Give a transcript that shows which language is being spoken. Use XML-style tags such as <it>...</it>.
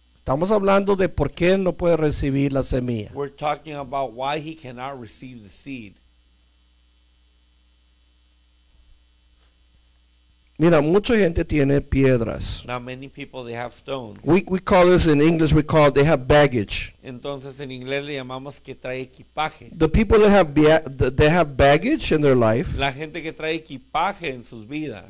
<es>Estamos hablando de por qué no puede recibir la semilla.</es> <en>We're talking about why he cannot receive the seed.</en> <es>Mira, mucha gente tiene piedras.</es> <en>Now many people, they have stones. We call this in English, we call it, they have baggage.</en> <es>Entonces en inglés le llamamos que trae equipaje.</es> <en>The people that have they have baggage in their life.</en> <es>La gente que trae equipaje en sus vidas.</es>